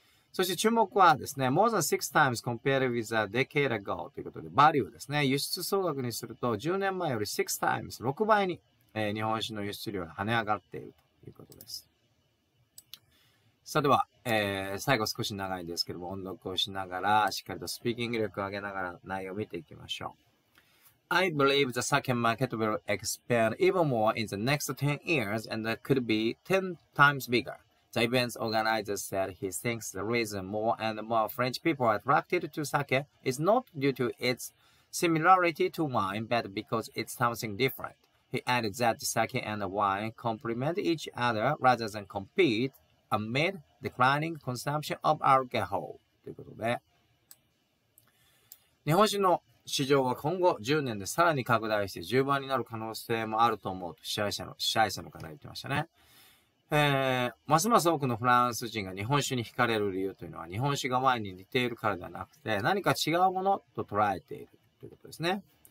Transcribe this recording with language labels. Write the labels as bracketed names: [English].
[Japanese] そして注目はですね、 [English] more than six times compared with a decade ago [Japanese] ということで、value ですね、輸出総額にすると10年前より6 times、6倍に、日本酒の輸出量が跳ね上がっているということです。さあでは、最後少し長いですけども、音読をしながら、しっかりとスピーキング力を上げながら内容を見ていきましょう。 [English] I believe the sake market will expand even more in the next 10 years and could be 10 times bigger. The event's organizer said he thinks the reason more and more French people are attracted to sake is not due to its similarity to wine, but because it's something different. He added that sake and wine complement each other rather than compete amid declining consumption of alcohol. [Japanese] ということで、日本酒の市場は今後10年でさらに拡大して10倍になる可能性もあると思うと支配者の方が言ってましたね。ますます多くのフランス人が日本酒に惹かれる理由というのは、日本酒がワインに似ているからではなくて、何か違うものと捉えているということですね。